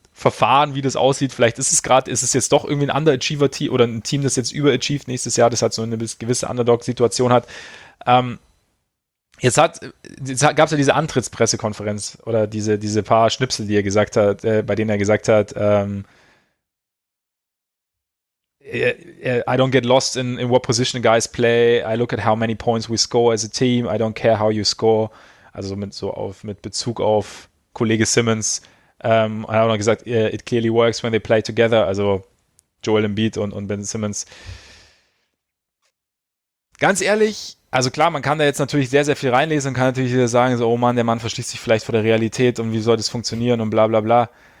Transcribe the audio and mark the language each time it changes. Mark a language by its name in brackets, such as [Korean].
[German] verfahren, wie das aussieht. Vielleicht ist es gerade, ist es jetzt doch irgendwie ein Underachiever-Team oder ein Team, das jetzt überachieved nächstes Jahr, das halt so eine gewisse Underdog-Situation hat. Jetzt gab es ja diese Antrittspressekonferenz oder diese paar Schnipsel, die er gesagt hat, bei denen er gesagt hat, [English] I don't get lost in what position guys play. I look at how many points we score as a team. I don't care how you score. [German] Also mit Bezug auf Kollege Simmons. Er hat auch noch gesagt, [English] it clearly works when they play together. [German] Also Joel Embiid und Ben Simmons. Ganz ehrlich, also klar, man kann da jetzt natürlich sehr, sehr viel reinlesen und kann natürlich sagen, so, oh Mann, der Mann verschließt sich vielleicht vor der Realität und wie soll das funktionieren und bla bla bla.